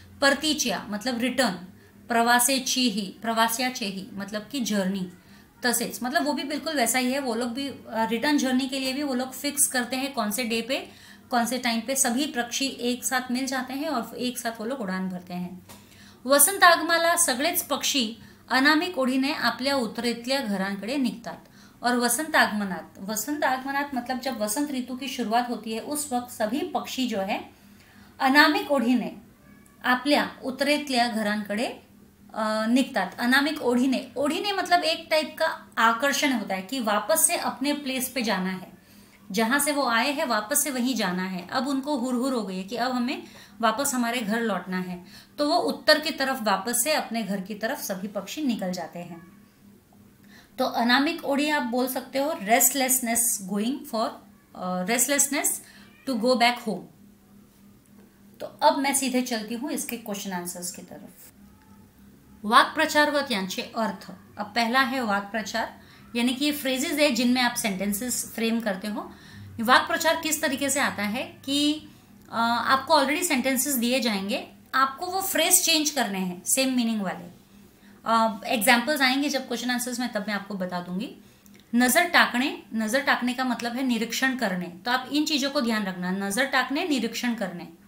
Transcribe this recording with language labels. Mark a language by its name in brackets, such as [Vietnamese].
[Hindi] परतीच्या मतलब रिटर्न, प्रवासेची ही प्रवास्याचे ही मतलब की जर्नी, तसेच मतलब वो भी बिल्कुल वैसा ही है। वो लोग भी रिटर्न जर्नी के लिए भी वो लोग फिक्स करते हैं कौन से डे पे कौन से टाइम पे सभी पक्षी एक साथ मिल जाते हैं और एक साथ वो लोग उड़ान भरते हैं। [Marathi] वसंत आगमाला सगळेच पक्षी अनामिक ओढीने आपल्या उतरेतल्या घरांकडे निघतात। [Hindi] और वसंत आगमनात मतलब जब वसंत ऋतु की शुरुआत होती है उस वक्त सभी पक्षी जो है [Marathi] अनामिक ओढीने आपल्या उतरेतल्या घरांकडे निघतात। [Hindi] अनामिक ओढीने, ओढीने मतलब एक टाइप का आकर्षण होता है कि वापस से अपने प्लेस पे जाना है, जहां से वो आए हैं वापस से वहीं जाना है। अब उनको हुरहुर हो गई है कि अब हमें वापस हमारे घर लौटना है, तो वो उत्तर की तरफ वापस से अपने घर की तरफ सभी पक्षी निकल जाते हैं। तो अनामिक ओढ़ी आप बोल सकते हो [English] Restlessness going for restlessness to go back home. [Hindi] तो अब मैं सीधे चलती हूं इसके क्वेश्चन आंसर्स की तरफ। [Marathi] वाक् प्रचार व त्यांचे अर्थ। [Hindi] अब पहला है वाक् प्रचार, यानी कि ये फ्रेजेस है जिनमें आप सेंटेंसेस फ्रेम करते हो। वाक् प्रचार किस तरीके से आता है कि आपको ऑलरेडी सेंटेंसेस दिए जाएंगे, आपको वो फ्रेज चेंज करने हैं सेम मीनिंग वाले। एग्जाम्पल्स आएंगे जब क्वेश्चन आंसर्स में, तब मैं आपको बता दूंगी। नज़र टाकने का मतलब है निरीक्षण करने, तो आप इन चीज़ों को ध्यान रखना, नज़र टाकने निरीक्षण करने।